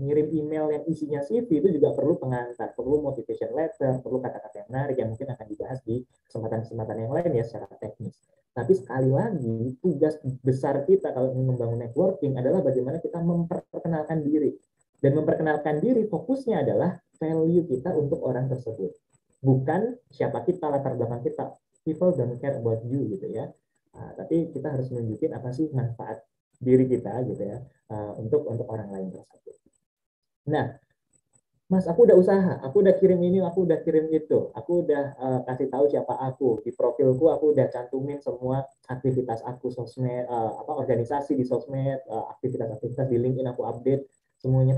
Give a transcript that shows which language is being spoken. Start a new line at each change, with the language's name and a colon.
Indonesian: Ngirim email yang isinya CV itu juga perlu pengantar. Perlu motivation letter, perlu kata-kata yang menarik yang mungkin akan dibahas di kesempatan-kesempatan yang lain ya secara teknis. Tapi sekali lagi, tugas besar kita kalau ingin membangun networking adalah bagaimana kita memperkenalkan diri. Dan memperkenalkan diri fokusnya adalah value kita untuk orang tersebut. Bukan siapa kita, latar belakang kita.
English: People don't care about you gitu ya.
Indonesian: Tapi kita harus nunjukin apa sih manfaat diri kita gitu ya untuk orang lain tersebut. Nah, Mas, aku udah usaha, aku udah kirim ini, aku udah kirim itu, aku udah kasih tahu siapa aku di profilku, aku udah cantumin semua aktivitas aku sosmed, organisasi di sosmed, aktivitas-aktivitas di LinkedIn aku update semuanya.